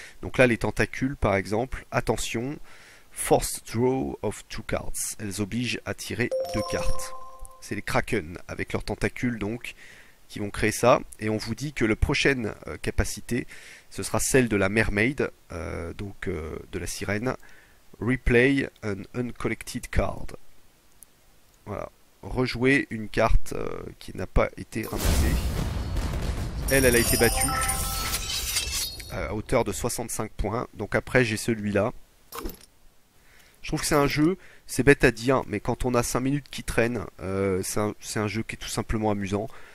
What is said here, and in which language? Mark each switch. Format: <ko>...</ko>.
<fr>Donc là, les tentacules, par exemple, attention, Forced Draw of Two Cards. Elles obligent à tirer deux cartes. C'est les Kraken, avec leurs tentacules, donc, qui vont créer ça. Et on vous dit que la prochaine capacité, ce sera celle de la Mermaid, donc de la sirène.</fr> <en>Replay an uncollected card.</en> <fr>Voilà. Rejouer une carte qui n'a pas été ramassée. Elle a été battue à hauteur de 65 points. Donc après, j'ai celui-là. Je trouve que c'est un jeu, c'est bête à dire, mais quand on a 5 minutes qui traînent, c'est un jeu qui est tout simplement amusant.</fr>